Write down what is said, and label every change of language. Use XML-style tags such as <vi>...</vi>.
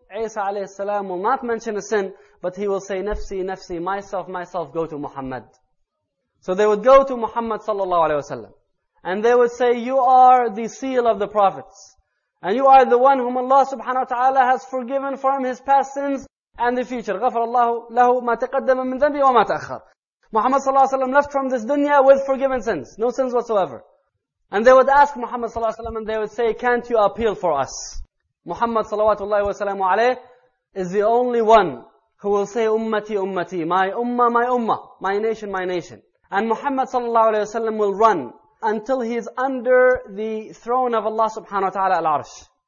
<en>Isa alayhi salam will not mention a sin, but he will say, nafsi, nafsi, myself, myself, go to Muhammad. So they would go to Muhammad sallallahu alayhi wasallam. And they would say, you are the seal of the prophets. And you are the one whom Allah subhanahu wa ta'ala has forgiven from his past sins and the future.</en> <ar>غفر الله له ما تقدم من ذنبه وما تأخر.</ar> <en>Muhammad sallallahu alayhi wasallam left from this dunya with forgiven sins. No sins whatsoever. And they would ask Muhammad sallallahu alayhi wasallam, and they would say, can't you appeal for us? Muhammad sallallahu alayhi is the only one who will say, ummati, ummati, my ummah, my ummah, my nation, my nation. And Muhammad sallallahu alayhi wasallam will run until he is under the throne of Allah subhanahu wa ta'ala al-arsh.</en>